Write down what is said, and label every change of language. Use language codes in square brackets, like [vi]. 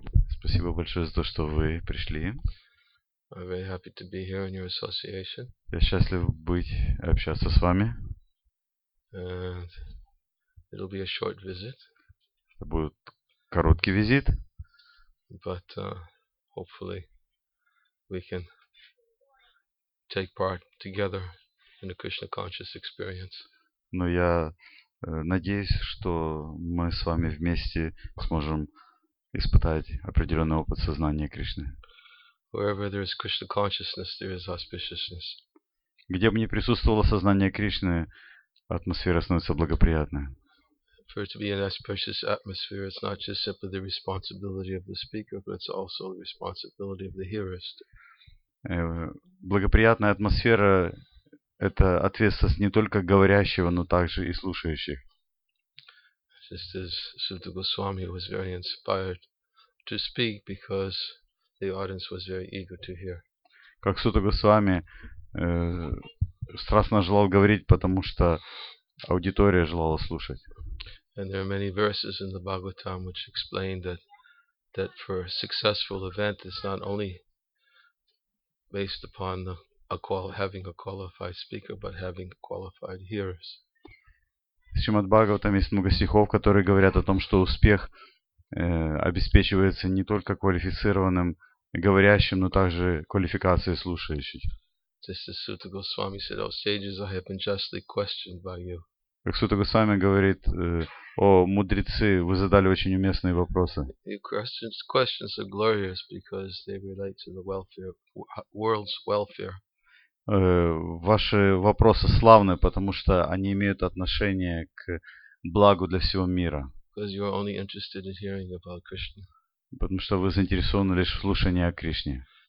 [ru] Спасибо большое за то, что вы пришли. [en] I'm very happy to be here in your association. [ru] Я счастлив быть общаться с вами. [en] And it'll be a short visit. [ru] Это будет короткий визит. [en] But hopefully we can take part together in a Krishna conscious experience. [ru] Но я надеюсь, что мы с вами вместе сможем испытать определенный опыт сознания Кришны. [en] Wherever there is Krishna consciousness, there is auspiciousness. [ru] Где бы ни присутствовало сознание Кришны, атмосфера становится благоприятной. [en] For it to be an auspicious atmosphere, it's not just simply the responsibility of the speaker, but it's also the responsibility of the hearers. [ru] Благоприятная атмосфера — это ответственность не только говорящего, но также и слушающих. [en] Just as Sutta Goswami was very inspired to speak because the audience was very eager to hear. [ru] Как Сута Госвами страстно желал говорить, потому что аудитория желала слушать. [en] And there are many verses in the Bhagavatam which explain that for a successful event it's not only based upon the having a qualified speaker, but having qualified hearers. [ru] В Шримад-Бхагаватам есть много стихов, которые говорят о том, что успех обеспечивается не только квалифицированным говорящим, но также квалификацией слушающих. [en] Just as Sutta Goswami said, "O sages, I have been justly questioned by you." [ru] Как Сута Госвами говорит: о мудрецы, вы задали очень уместные вопросы. [en] Your questions are glorious because they relate to the welfare, world's welfare. [ru] Ваши вопросы славны, потому что они имеют отношение к благу для всего мира. Потому что вы заинтересованы лишь в слушании о Кришне.